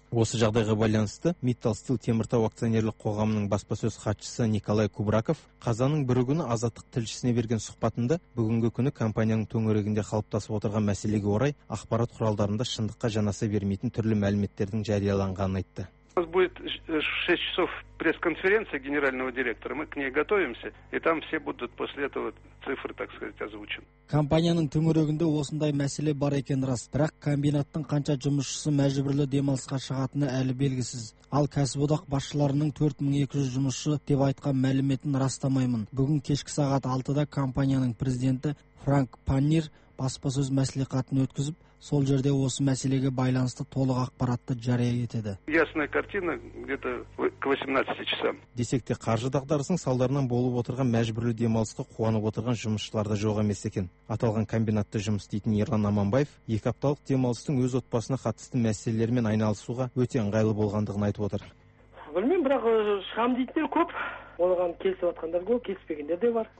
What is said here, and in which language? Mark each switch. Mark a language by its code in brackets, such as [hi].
[kk] Осы жағдайға байланысты Металл-Стил Теміртау акционерлік қоғамының баспасөз хатшысы Николай Кубраков қазаның бір күні Азаттық тілшісіне берген сұхбатында бүгінгі күні компанияның төңірегінде қалыптасып отырған мәселеге орай ақпарат құралдарында шындыққа жанаса бермейтін түрлі мәліметтердің жарияланғанын айтты. [ru] У нас будет 6 часов пресс-конференция генерального директора. Мы к ней готовимся, и там все будут после этого цифры, так сказать, озвучены. [kk] Компанияның төңірегінде осындай мәселе бар екен рас, бірақ комбинаттың қанша жұмысшысы мәжбүрлі демалысқа шығатыны әлі белгісіз. Ал кәсіподақ басшыларының 4200 жұмысшы деп айтқан мәліметін растамаймын. Бүгін кешкі сағат 6-да компанияның президенті Франк Паннир баспасөз мәслихатын өткізіп, сол жерде осы мәселеге байланысты толық ақпаратты жария етеді. [ru] Ясная картина где-то к 18 часам. [kk] Десек те қаржы дағдарысының салдарынан болып отырған мәжбүрлі демалысқа қуанып отырған жұмысшылар да жоқ емес екен. Аталған комбинатта жұмыс істейтін Ерлан Аманбаев екі апталық демалыстың өз отбасына қатысты мәселелермен айналысуға өте ыңғайлы болғандығын айтып отыр. Білмеймін, бірақ шығам дейтіндер көп. Оған келісіп жатқандар көп, келіспегендер де бар.